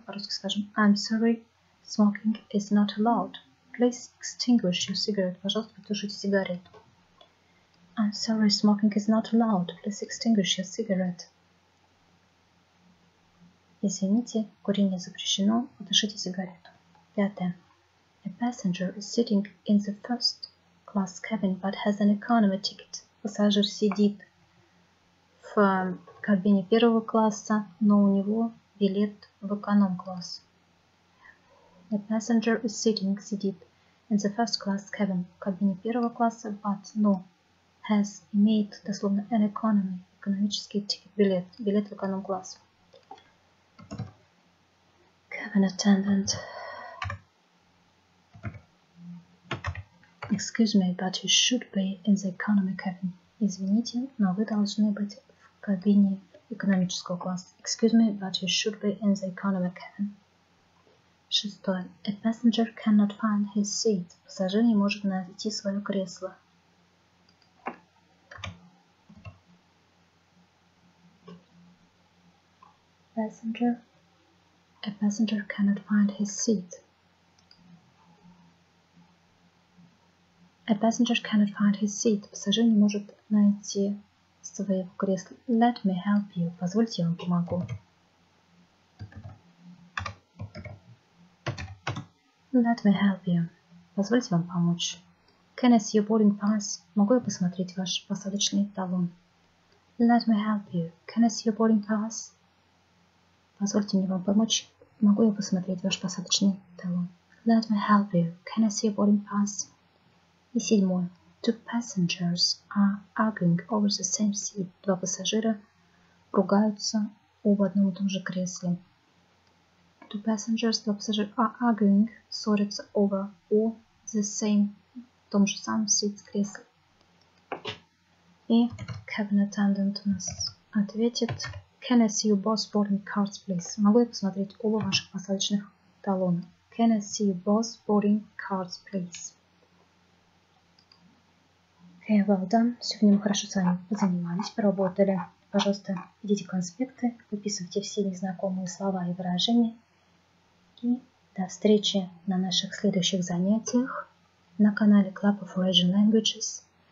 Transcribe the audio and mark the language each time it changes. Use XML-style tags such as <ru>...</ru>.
<ru>По-русски скажем</ru> <en>I'm sorry, smoking is not allowed. Please extinguish your cigarette.</en> <ru>Пожалуйста, потушите сигарету.</ru> <en>I'm sorry, smoking is not allowed. Please extinguish your cigarette.</en> <ru>Извините, курение запрещено, потушите сигарету. Пятое.</ru> <en>A passenger is sitting in the first class cabin, but has an economy ticket.</en> <ru>Пассажир сидит в кабине первого класса, но у него билет в эконом-класс.</ru> <en>A passenger is sitting,</en> <ru>сидит</ru> <en>in the first class cabin,</en> <ru>в кабине первого класса,</ru> <en>but no, has,</en> <ru>имеет, дословно,</ru> <en>an economy,</en> <ru>экономический</ru> <en>ticket,</en> <ru>билет, билет в эконом-класс.</ru> <en>Cabin attendant. Excuse me, but you should be in the economy cabin.</en> <ru>Извините, но вы должны быть в кабине экономического класса.</ru> <en>Excuse me, but you should be in the economy cabin.</en> <ru>Шестое.</ru> <en>A passenger cannot find his seat.</en> <ru>Пассажир не может найти свое кресло.</ru> <en>Passenger. A passenger cannot find his seat. A passenger cannot find his seat.</en> <ru>Пассажир не может найти своего кресла.</ru> <en>Let me help you.</en> <ru>Позвольте, я вам помогу.</ru> <en>Let me help you.</en> <ru>Позвольте вам помочь.</ru> <en>Can I see your boarding pass?</en> <ru>Могу я посмотреть ваш посадочный талон?</ru> <en>Let me help you. Can I see your boarding pass?</en> <ru>Позвольте мне вам помочь. Могу я посмотреть ваш посадочный талон?</ru> <en>Let me help you. Can I see your boarding pass?</en> <ru>И седьмое.</ru> <en>Two passengers are arguing over the same seat.</en> <ru>Два пассажира ругаются об одном и том же кресле.</ru> <en>two passengers,</en> <ru>два пассажира,</ru> <en>are arguing,</en> <ru>ссорятся</ru> <en>over, or the same,</en> <ru>в том же самом</ru> <en>seat,</en> <ru>кресле. И</ru> <en>cabin attendant</en> <ru>у нас ответит,</ru> <en>can I see your boss boarding cards, please?</en> <ru>Могу я посмотреть оба ваших посадочных талона?</ru> <en>Can I see your boss boarding cards, please? Okay, well done.</en> <ru>Сегодня мы хорошо с вами позанимались, поработали. Пожалуйста, идите конспекты, выписывайте все незнакомые слова и выражения. И до встречи на наших следующих занятиях на канале Club of Asian Languages.</ru>